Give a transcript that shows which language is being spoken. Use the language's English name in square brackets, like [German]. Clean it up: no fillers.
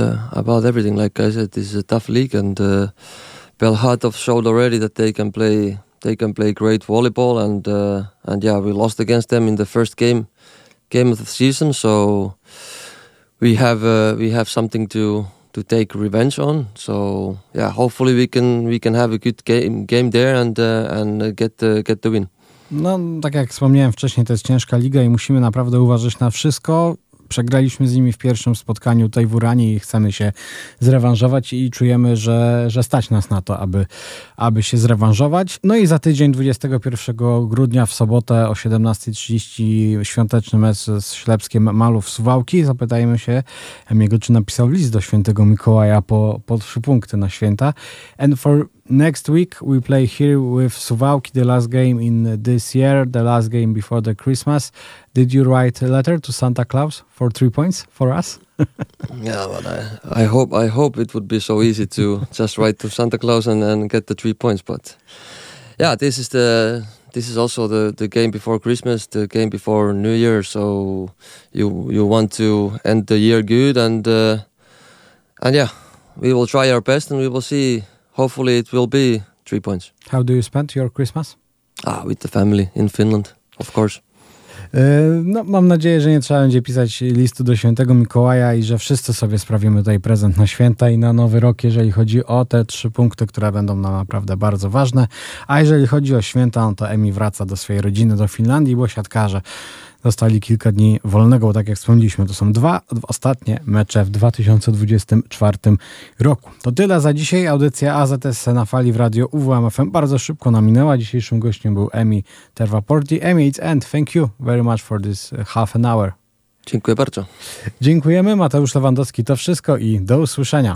[English] About everything, like I said, this is a tough league, and Bełchatów showed already that they can play great volleyball, and we lost against them in the first game of the season, so we have something to take revenge on. So yeah, hopefully we can have a good game there and get the win. [Polish] No, tak jak wspomniałem wcześniej, to jest ciężka liga i musimy naprawdę uważać na wszystko. Przegraliśmy z nimi w pierwszym spotkaniu tutaj w Uranii i chcemy się zrewanżować i czujemy, że stać nas na to, aby się zrewanżować. No i za tydzień, 21 grudnia w sobotę o 17:30 świąteczny mecz z Ślepskiem Malów Suwałki. Zapytajmy się Emiego, czy napisał list do świętego Mikołaja po 3 punkty na święta. [English] And for next week we play here with Suwałki, the last game in this year, the last game before the Christmas. Did you write a letter to Santa Claus for 3 points for us? Yeah, but I hope it would be so easy to just write to Santa Claus and get the 3 points. But yeah, this is also the game before Christmas, the game before New Year. So you want to end the year good, and yeah, we will try our best and we will see. Hopefully it will be 3 points. How do you spend your Christmas? With the family in Finland, of course. [Polish] No, mam nadzieję, że nie trzeba będzie pisać listu do świętego Mikołaja i że wszyscy sobie sprawimy tutaj prezent na święta i na nowy rok, jeżeli chodzi o te 3 punkty, które będą nam naprawdę bardzo ważne. A jeżeli chodzi o święta, no to Emi wraca do swojej rodziny, do Finlandii, bo siatkarze dostali kilka dni wolnego, bo tak jak wspomnieliśmy, to są dwa ostatnie mecze w 2024 roku. To tyle za dzisiaj. Audycja AZS na fali w radio UWM-FM bardzo szybko naminęła. Dzisiejszym gościem był Emi Terwaporti. [English] Emi, it's end. Thank you very much for this half an hour. [Polish] Dziękuję bardzo. Dziękujemy. Mateusz Lewandowski, to wszystko i do usłyszenia.